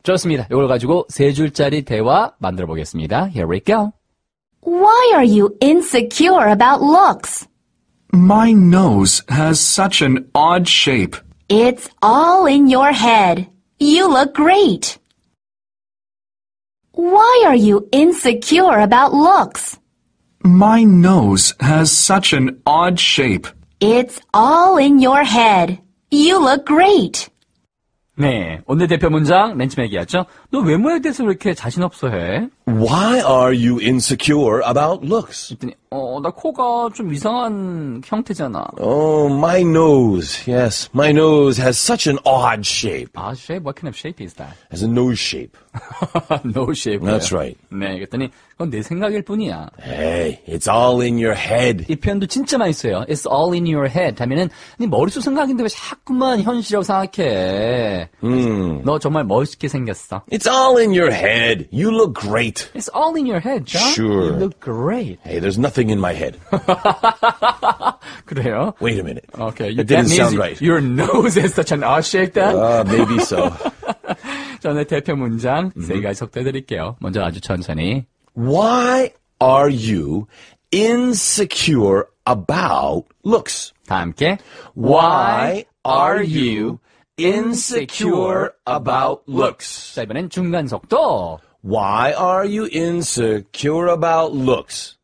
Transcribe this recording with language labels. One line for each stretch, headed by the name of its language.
Korean: 좋습니다. 이걸 가지고 세 줄짜리 대화 만들어보겠습니다.
English: Here we go. Why are you insecure about looks? My nose has such an odd shape. It's all in your head. You look great. Why are you insecure about looks? My nose has such an odd shape. It's all in your head. You look great.
Korean: 네, 오늘 대표 문장 맨 처음에 얘기했죠. 너 외모에 대해서 왜 이렇게 자신 없어 해?
English: Why are you insecure about looks?
Korean: 그랬더니, 나 코가 좀 이상한 형태잖아.
English: Oh, my nose. Yes, my nose has such an odd shape. Odd shape? What kind of shape is that? It's a nose shape. nose shape. That's right.
Korean: 네, 그랬더니, 그건 내 생각일 뿐이야.
English: Hey, it's all in your head.
Korean: 이 표현도 진짜 많이 써요.
English: It's all in your head.
Korean: 하면은, 네 머릿속 생각인데 왜 자꾸만 현실이라고 생각해? 너 정말 멋있게 생겼어.
English: It's all in your head. You look great. It's all in your head, John. Sure. You look great. Hey, there's nothing in my head.
Korean: 그래요?
English: Wait a minute. Okay. It didn't sound right. Your nose is such an odd shape, then? Maybe so.
Korean: 저는 대표 문장 세 가지 속대드릴게요. 먼저 아주 천천히.
English: Why are you insecure about looks?
Korean: 다 함께.
English: Why are you insecure about looks?
Korean: 자, 이번엔 중간 속도.
English: Why are you insecure about looks?